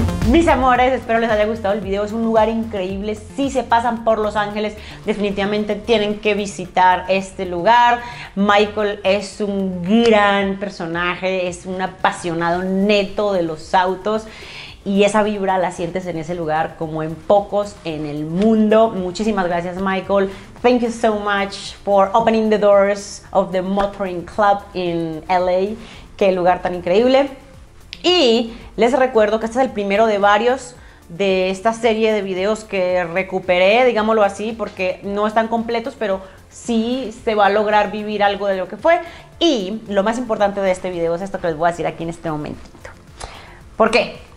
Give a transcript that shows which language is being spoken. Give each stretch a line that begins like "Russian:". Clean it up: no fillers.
Spanish: Mis amores, espero les haya gustado el video. Es un lugar increíble. Si se pasan por Los Ángeles, definitivamente tienen que visitar este lugar. Michael es un gran personaje, es un apasionado neto de los autos y esa vibra la sientes en ese lugar como en pocos en el mundo. Muchísimas gracias, Michael.
English: Thank you so much for opening the doors of the Motoring Club in LA.
Spanish: Qué lugar tan increíble. Y les recuerdo que este es el primero de varios de esta serie de videos que recuperé, digámoslo así, porque no están completos, pero sí se va a lograr vivir algo de lo que fue. Y lo más importante de este video es esto que les voy a decir aquí en este momentito. ¿Por qué?